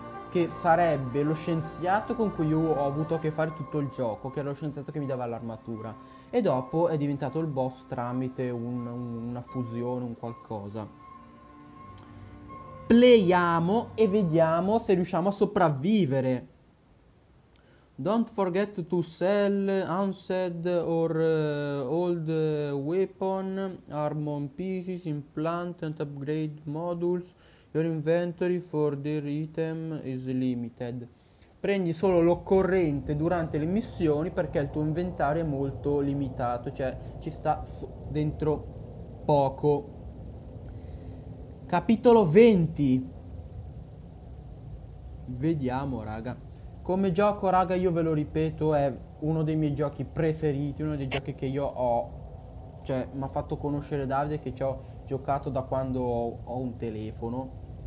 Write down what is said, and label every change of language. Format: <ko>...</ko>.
<it>che sarebbe lo scienziato con cui io ho avuto a che fare tutto il gioco, che era lo scienziato che mi dava l'armatura. E dopo è diventato il boss tramite una fusione, un qualcosa. Playiamo e vediamo se riusciamo a sopravvivere.</it> <en>Don't forget to sell unused or old weapon, armor pieces, implant and upgrade modules. Your inventory for the item is limited.</en> <it>Prendi solo l'occorrente durante le missioni perché il tuo inventario è molto limitato, cioè ci sta dentro poco. Capitolo 20. Vediamo, raga. Come gioco, raga, io ve lo ripeto, è uno dei miei giochi preferiti, uno dei giochi che io ho, cioè mi ha fatto conoscere Davide, che ci ho giocato da quando ho un telefono.</it>